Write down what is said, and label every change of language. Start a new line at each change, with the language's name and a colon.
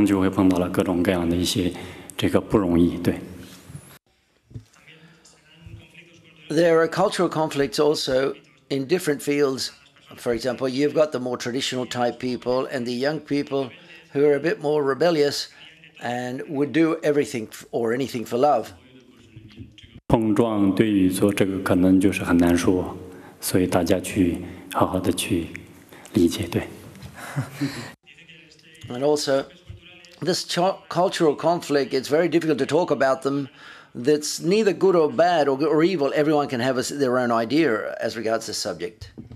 Chinese: 有的地方嘛，也有可能会各种的这种文化的冲突，所以可能就会也有会很多人去用传统的方式这样，那可能也有很多人呢就是比较年轻化、时尚化，也可能又不太的这个就是那些怎么说呢？就可能一个人喜欢一个人的话，他肯定会付出所有的这个，然后当中就会碰到了各种各样的一些这个不容易，对。
English: There are cultural conflicts also in different fields. For example, you've got the more traditional type people and the young people who are a bit more rebellious and would do everything or anything for love.
Chinese: 碰撞对于说这个可能就是很难说，所以大家去好好的去理解，对。
English: And also, this cultural conflict, it's very difficult to talk about them. That's neither good or bad or evil. Everyone can have their own idea as regards the subject.